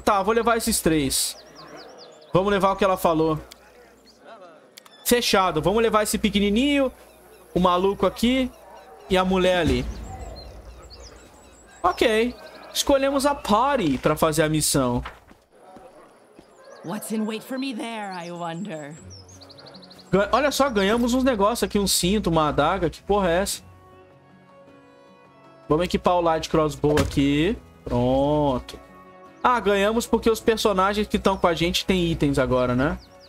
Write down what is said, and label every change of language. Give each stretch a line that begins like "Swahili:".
Portuguese: Tá, vou levar esses três. Vamos levar o que ela falou. Fechado. Vamos levar esse pequenininho, o maluco aqui e a mulher ali. Ok. Escolhemos a party pra fazer a missão.
English: What's in wait for me there, I wonder.
Portuguese: Olha só, ganhamos uns negócios aqui. Um cinto, uma adaga. Que porra é essa? Vamos equipar o light crossbow aqui. Pronto. Ah, ganhamos porque os personagens que estão com a gente têm itens agora, né?